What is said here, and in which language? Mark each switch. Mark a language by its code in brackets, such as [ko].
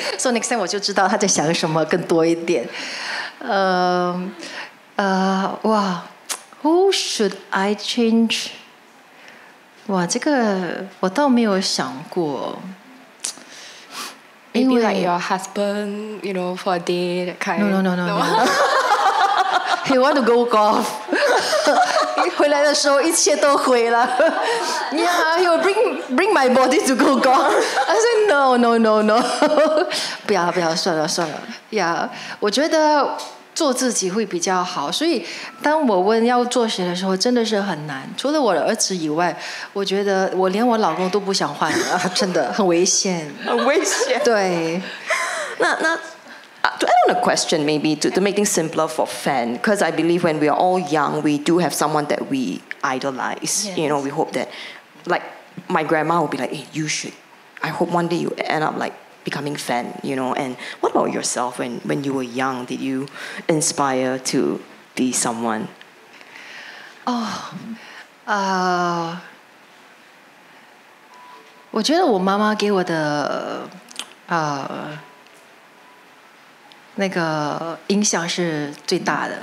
[en] So next time [zh] 我就知道他在想什么更多一点. [en] Wow, who should I change? [zh] Wow, 这个我倒没有想过. [en] Maybe like your husband, you know, for a day, that kind. No. He want to go golf. [zh] 回来的时候一切都毁了. [en] Yeah, he will bring my body to go golf. I said no. [zh] 不要，算了。 Yeah, 我觉得做自己会比较好，所以当我问要做谁的时候真的是很难，除了我的儿子以外，我觉得我连我老公都不想换，真的很危险。 [en] 那 to add on a question, maybe to make things simpler for Fann, because I believe when we are all young, we do have someone that we idolize. Yes. You know, we hope that, like, my grandma will be like, hey, you should. I hope one day you end up, like, becoming Fann, you know. And what about yourself when you were young? Did you inspire to be someone? [zh] Oh, 我觉得我妈妈给我的 那个影响是最大的.